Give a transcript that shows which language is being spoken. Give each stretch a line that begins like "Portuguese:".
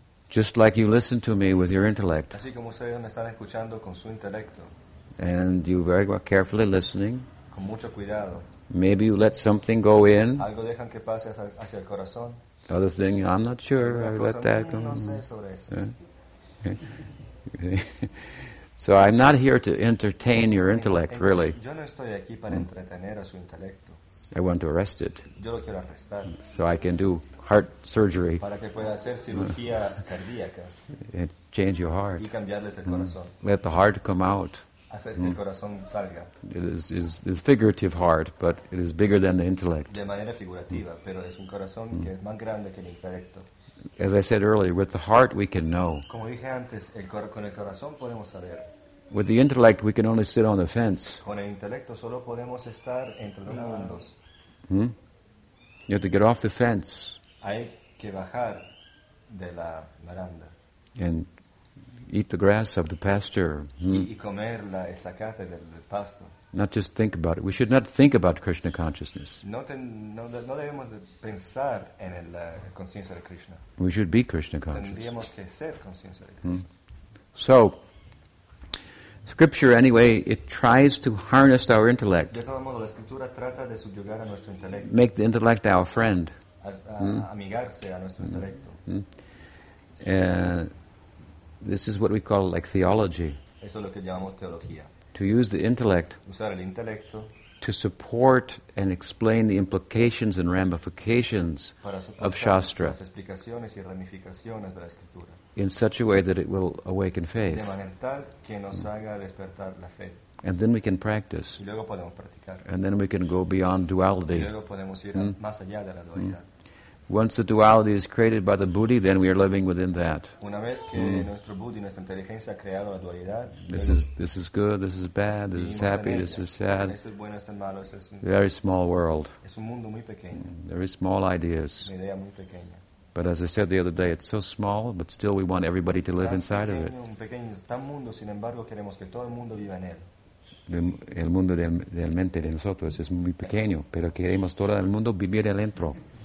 English: Just like you listen to me with your intellect.
Spanish: Así como ustedes me están escuchando con su intelecto.
English: And you very well, carefully listening.
Spanish: Con mucho cuidado.
English: Maybe you let something go in.
Spanish: Algo dejan que pase hacia el corazón.
English: The other thing, I'm not sure.
Spanish: La
English: I let that go.
Spanish: No sé sobre eso.
English: So I'm not here to entertain your intellect, really.
Spanish: Yo no estoy aquí para entretener a su intelecto.
English: I want to arrest it.
Spanish: Yo lo quiero arrestar.
English: So I can do heart surgery.
Spanish: Para que pueda hacer cirugía cardíaca.
English: And change your heart.
Spanish: Y cambiarles el corazón.
English: Let the heart come out.
Spanish: El corazón salga.
English: It is figurative heart, but it is bigger than the intellect.
Spanish: De manera figurativa, pero es un corazón que es más grande que el intelecto.
English: As I said earlier, with the heart we can know.
Spanish: Como dije antes, con el corazón podemos saber.
English: With the intellect we can only sit on the fence.
Spanish: Con el intelecto solo podemos estar entre los mundos.
English: You have to get off the fence.
Spanish: Hay que bajar de la baranda.
English: And eat the grass of the pasture.
Spanish: Y comer la zacate del pasto.
English: Not just think about it. We should not think about Krishna consciousness.
Spanish: No debemos de pensar en la conciencia de Krishna.
English: We should be Krishna conscious.
Spanish: Tendríamos que ser conciencia de Krishna.
English: So, Scripture, anyway, it tries to harness our intellect.
Spanish: De todo modo, la escritura trata de subyugar a nuestro intelecto.
English: Make the intellect our friend.
Spanish: Amigarse a nuestro intelecto.
English: This is what we call like theology.
Spanish: Eso es lo que llamamos teología.
English: To use the intellect,
Spanish: usar el intelecto,
English: to support and explain the implications and ramifications of Shastra
Spanish: las explicaciones y ramificaciones de la escritura,
English: in such a way that it will awaken faith.
Spanish: De manera tal que nos haga despertar la fe.
English: And then we can practice.
Spanish: Y luego podemos practicar.
English: And then we can go beyond duality.
Spanish: Y luego podemos ir más allá de la dualidad.
English: Once the duality is created by the Buddhi, then we are living within that.
Spanish: Una vez que nuestro Buddhi, nuestra inteligencia ha creado la dualidad.
English: This is good, this is bad, this is happy, this is sad.
Spanish: Este es bueno, este es malo, este es un
English: very small world.
Spanish: Es un mundo muy pequeño.
English: Very small ideas.
Spanish: Una idea muy pequeña.
English: But as I said the other day, it's so small, but still we want everybody to live inside of it.
Spanish: Un pequeño, tan mundo, sin embargo, queremos que todo el mundo viva en él. El mundo realmente de nosotros es muy pequeño, pero queremos todo el mundo vivir adentro.